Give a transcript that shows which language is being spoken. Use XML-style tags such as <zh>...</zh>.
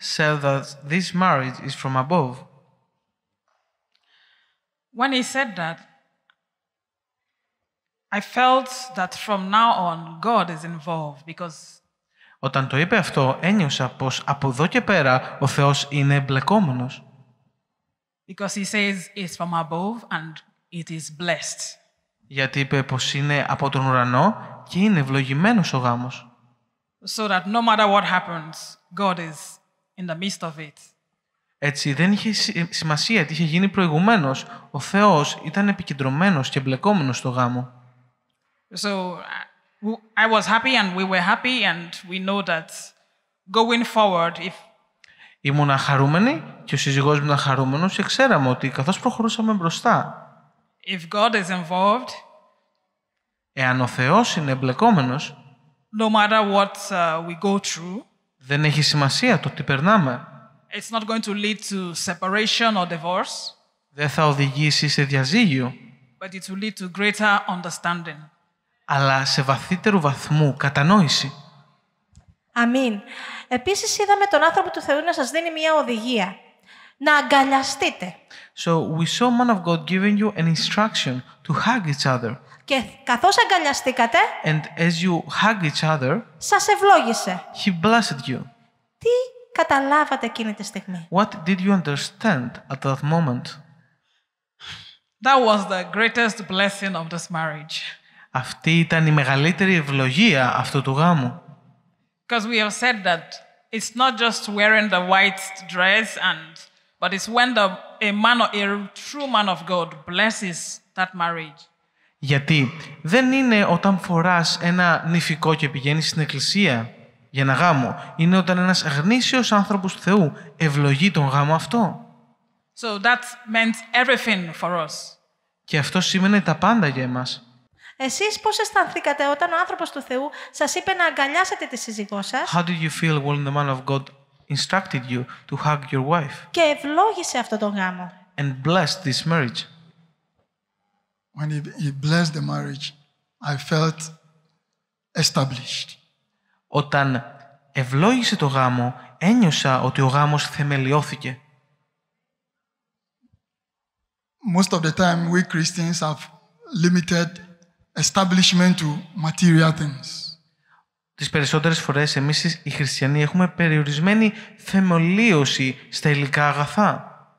<en>said that this marriage is from above. When he said that, I felt that from now on God is involved because.</en> <el>Όταν το είπε αυτό, ένιωσα πως από εδώ και πέρα ο Θεός είναι εμπλεκόμενος.</el> <en>Because he says it's from above and it is blessed.</en> <el>Γιατί είπε πως είναι από τον ουρανό και είναι ευλογημένος ο γάμος.</el> <en>So that no matter what happens, God is in the midst of it.</en> <el>Έτσι δεν είχε σημασία τι είχε γίνει προηγουμένως. Ο Θεός ήταν επικεντρωμένος και εμπλεκόμενος στο γάμο.</el> <en>So I was happy and we were happy and we know that going forward if</en> <el>ήμουνα χαρούμενη και ο σύζυγός μου ήταν χαρούμενος και ξέραμε ότι καθώς προχωρούσαμε μπροστά</el> <en>if God is involved</en> <el>εάν ο Θεός είναι εμπλεκόμενος</el> <en>no matter what we go through</en> <el>δεν έχει σημασία το τι περνάμε.</el> <en>It's not going to lead to separation or divorce.</en> <el>Δεν θα οδηγήσει σε διαζύγιο.</el> <en>But it will lead to greater understanding.</en> <el>Αλλά σε βαθύτερο βαθμό κατανόηση. Αμήν. Επίσης είδαμε τον άνθρωπο του Θεού να σας δίνει μια οδηγία. να αγκαλιαστείτε.</el> <en>So we saw man of God giving you an instruction to hug each other.</en> <el>Και καθώς αγκαλιαστήκατε,</el> <en>and as you hug each other,</en> <el>σας ευλόγησε.</el> <en>He blessed you.</en> <el>Τι καταλάβατε εκείνη τη στιγμή;</el> <en>What did you understand at that moment? That was the greatest blessing of this marriage.</en> <el>Αυτή ήταν η μεγαλύτερη ευλογία αυτού του γάμου.</el> <en>Because we have said that it's not just wearing the white dress and but it's when a true man of God blesses that marriage.</en> <el>Γιατί δεν είναι όταν φοράς ένα νηφικό και πηγαίνεις στην εκκλησία για ένα γάμο, είναι όταν ένας γνήσιος άνθρωπος του Θεού ευλογεί τον γάμο αυτό.</el> <en>So that meant everything for us.</en> <el>Και αυτό σήμαινε τα πάντα για εμάς. Εσείς πώς αισθανθήκατε όταν ο άνθρωπος του Θεού σας είπε να αγκαλιάσετε τη σύζυγό σας;</el> <en>How did you feel when the man of God instructed you to hug your wife?</en> <el>Και ευλόγησε αυτό τον γάμο.</el> <en>And blessed this marriage. When he blessed the marriage, I felt established.</en> <el>Όταν ευλόγησε το γάμο, ένιωσα ότι ο γάμος θεμελιώθηκε.</el> <en>Most of the time, we Christians have limited establishment to material things.</en> <el>Τις περισσότερες φορές εμείς οι χριστιανοί έχουμε περιορισμένη θεμελίωση στα υλικά αγαθά.</el>